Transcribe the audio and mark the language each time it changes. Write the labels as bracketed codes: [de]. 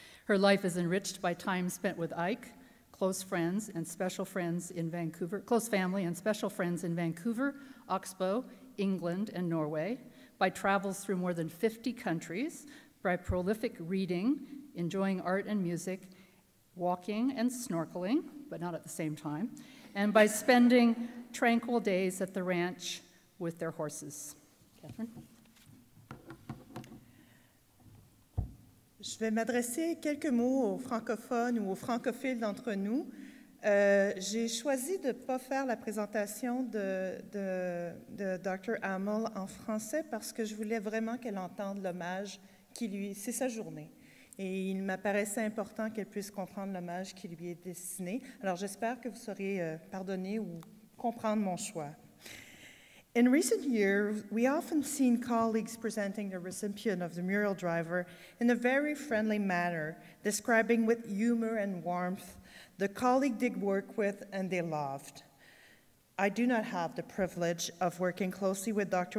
[en] Her life is enriched by time spent with Ike, close family and special friends in Vancouver, Oxbow, England, and Norway, by travels through more than 50 countries, by prolific reading, enjoying art and music, walking and snorkeling, but not at the same time, and by spending tranquil days at the ranch with their horses. Catherine? [fr] Je vais m'adresser quelques mots aux francophones ou aux francophiles d'entre nous. J'ai choisi de ne pas faire la présentation de Dr. Hammell en français parce que je voulais vraiment qu'elle entende l'hommage qui lui... C'est sa journée. Et il m'apparaissait important qu'elle puisse comprendre l'hommage qui lui est destiné. Alors j'espère que vous saurez pardonner ou comprendre mon choix. [en] In recent years, we often seen colleagues presenting the recipient of the Muriel Driver in a very friendly manner, describing with humor and warmth the colleague they worked with and they loved. I do not have the privilege of working closely with Dr.